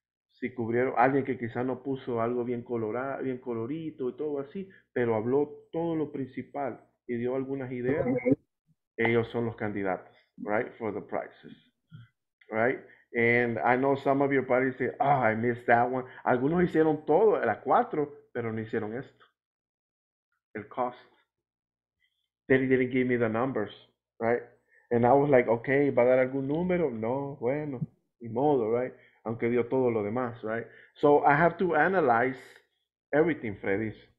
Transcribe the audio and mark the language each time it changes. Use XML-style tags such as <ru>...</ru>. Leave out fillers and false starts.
<es>Si cubrieron, alguien que quizá no puso algo bien colorado, bien colorito y todo así, pero habló todo lo principal y dio algunas ideas, ellos son los candidatos,</es> <en>right? For the prizes, right? And I know some of your party say, oh, I missed that one.</en> <es>Algunos hicieron todo, era 4, pero no hicieron esto. El</es> <en>cost. They didn't give me the numbers, right? And I was like, okay,</en> <es>¿va a dar algún número? No, bueno, ni modo,</es> <en>right?</en> <es>Aunque dio todo lo demás,</es> <en>right? So I have to analyze everything, Freddy's.</en>